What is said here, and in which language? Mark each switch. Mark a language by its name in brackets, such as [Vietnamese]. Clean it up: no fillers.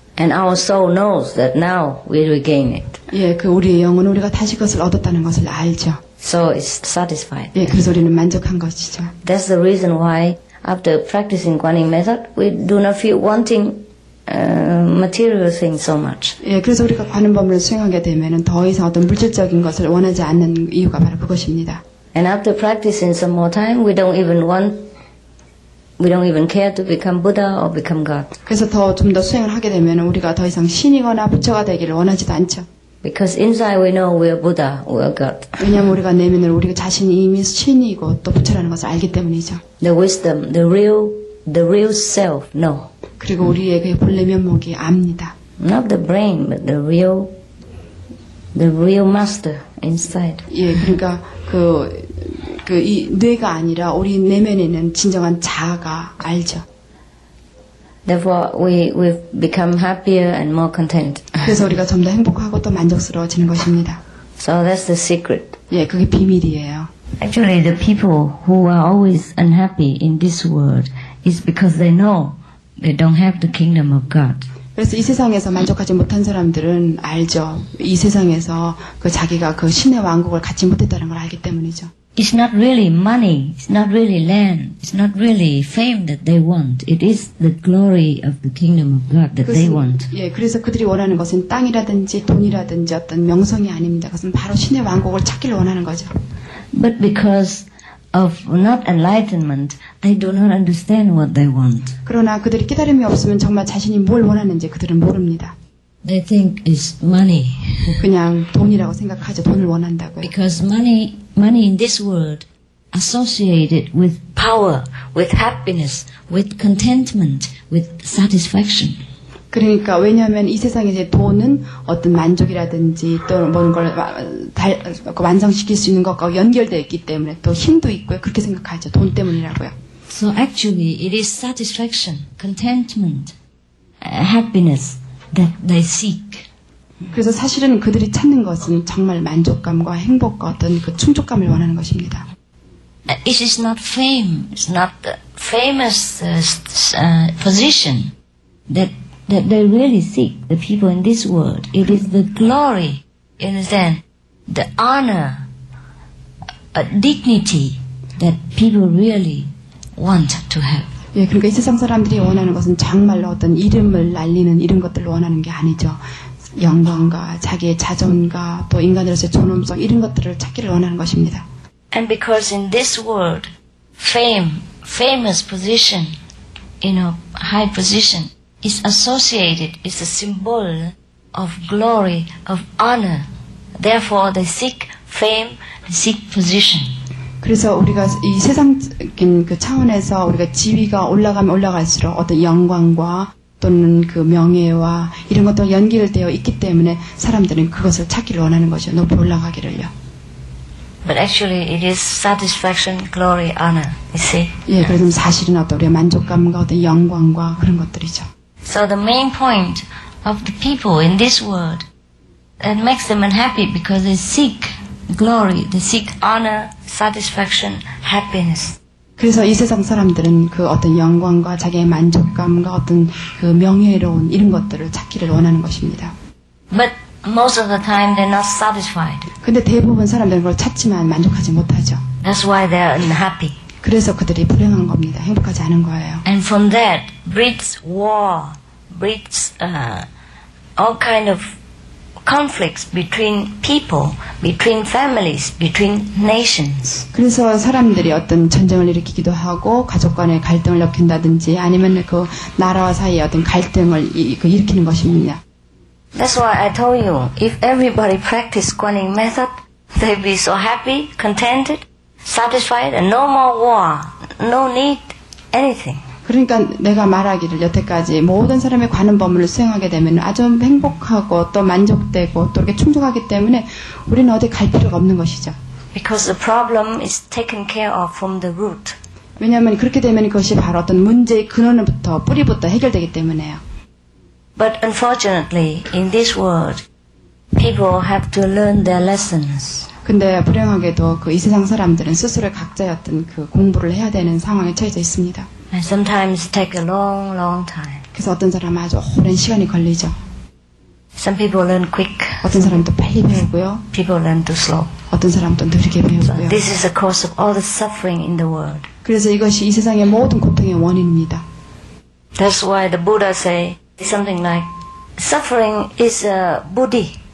[English] And our soul knows that now we regain it. [Korean] 예, 그 우리의 영혼은 우리가 다시 그것을 얻었다는 것을 알죠. [English] So it's satisfied. [Korean] 예, 그 소리는 만족한 것이죠. [English] That's the reason why after practicing Guan Yin method, we do not feel wanting material things so much. [Korean] 예, 그래서 우리가 관음법을 수행하게 되면은 더 이상 어떤 물질적인 것을 원하지 않는 이유가 바로 그것입니다. [English] And after practicing some more time, we don't even care to become Buddha or become God. [Korean] 그래서 더 좀 더 수행을 하게 되면은 우리가 더 이상 신이거나 부처가 되기를 원하지도 않죠. [English] Because inside we know we are Buddha, we are God. [Korean] 왜냐하면 우리가 내면을 우리가 자신이 이미 신이고 또 부처라는 것을 알기 때문이죠. [English] The wisdom, the real self, no. [Korean] 그리고 우리의 그 본래 면목이 압니다. [English] Not the brain, but the real master inside. [Korean] 예, 그러니까 그 그 이 뇌가 아니라 우리 내면에는 진정한 자아가 알죠. [English] Therefore, we've become happier and more content. [Korean] 그래서 우리가 좀 더 행복하고 또 만족스러워지는 것입니다. [English] So that's the secret. [Korean] 예, 그게 비밀이에요. [English] Actually, the people who are always unhappy in this world is because they know they don't have the kingdom of God. [Korean] 그래서 이 세상에서 만족하지 못한 사람들은 알죠. 이 세상에서 그 자기가 그 신의 왕국을 갖지 못했다는 걸 알기 때문이죠. [English] It's not really money, it's not really land, it's not really fame that they want. It is the glory of the kingdom of God that they want. [Korean] 예, 그래서 그들이 원하는 것은 땅이라든지 돈이라든지 어떤 명성이 아닙니다. 그것은 바로 신의 왕국을 찾기를 원하는 거죠. [English] But because of not enlightenment, they do not understand what they want. [Korean] 그러나 그들이 깨달음이 없으면 정말 자신이 뭘 원하는지 그들은 모릅니다. [English] They think it's money. [Korean] 그냥 돈이라고 생각하죠. 돈을 원한다고요. [English] Because money in this world associated with power, with happiness, with contentment, with satisfaction. [Korean] 그러니까 왜냐하면 이 세상에 이제 돈은 어떤 만족이라든지 또 뭔 걸 완성시킬 수 있는 것과 연결되어 있기 때문에 또 힘도 있고요. 그렇게 생각하죠. 돈 때문이라고요. [English] So actually it is satisfaction, contentment, happiness that they seek. [Korean] 그래서 사실은 그들이 찾는 것은 정말 만족감과 행복과 어떤 그 충족감을 원하는 것입니다. [English] It is not fame, it's not the famous position that they really seek, the people in this world. It is the glory, you understand? The honor, a dignity that people really want to have. [Korean] 예, 그러니까 이 세상 사람들이 원하는 것은 정말로 어떤 이름을 날리는 이런 것들을 원하는 게 아니죠. 영광과 자기의 자존과 또 인간으로서의 존엄성 이런 것들을 찾기를 원하는 것입니다. [English] And because in this world, famous position, you know, high position, is associated, is a symbol of glory, of honor. Therefore, they seek fame, they seek position. [Korean] 그래서 우리가 이 세상적인 그 차원에서 우리가 지위가 올라가면 올라갈수록 어떤 영광과 또는 그 명예와 이런 것도 연결되어 있기 때문에 사람들은 그것을 찾기를 원하는 거죠. 높이 올라가기를요. [English] But actually it is satisfaction, glory, honor. You see? [Korean] 예, 그래서 사실은 어떤 우리의 만족감과 어떤 영광과 그런 것들이죠. [English] So the main point of the people in this world that makes them unhappy because they seek glory, they seek honor, satisfaction, happiness. [Korean] 그래서 이 세상 사람들은 그 어떤 영광과 자기의 만족감과 어떤 그 명예로운 이런 것들을 찾기를 원하는 것입니다. [English] But most of the time they're not satisfied. [Korean] 근데 대부분 사람들은 그걸 찾지만 만족하지 못하죠. [English] That's why they're unhappy. [Korean] 그래서 그들이 불행한 겁니다. 행복하지 않은 거예요. [English] And from that breeds war, breeds all kind of conflicts between people, between families, between nations. [Korean] 그래서 사람들이 어떤 전쟁을 일으키기도 하고 가족 간의 갈등을 일으킨다든지 아니면 그 나라와 사이의 어떤 갈등을 일으키는 것입니다. [English] That's why I told you, if everybody practice Guan Yin method, they'd be so happy, contented, satisfied, and no more war, no need anything. [Korean] 그러니까 내가 말하기를 여태까지 모든 사람이 관음법문을 수행하게 되면 아주 행복하고 또 만족되고 또 이렇게 충족하기 때문에 우리는 어디 갈 필요가 없는 것이죠. [English] Because the problem is taken care of from the root. [Korean] 왜냐하면 그렇게 되면 그것이 바로 어떤 문제의 근원부터 뿌리부터 해결되기 때문에요. [English] But unfortunately, in this world, people have to learn their lessons. [Korean] 근데 불행하게도 그 이 세상 사람들은 스스로 각자의 어떤 그 공부를 해야 되는 상황에 처해져 있습니다. [English] And sometimes it takes a long, long time. [Korean] 그래서 어떤 사람은 아주 오랜 시간이 걸리죠. [English] Some people learn quick. [Korean] 어떤 사람도 빨리 배우고요. [English] People learn too slow. [Korean] 어떤 사람도 느리게 배우고요. [English] This is the cause of all the suffering in the world. [Korean] 그래서 이것이 이 세상의 모든 고통의 원인입니다. [English] That's why the Buddha say something like suffering is a buddhi.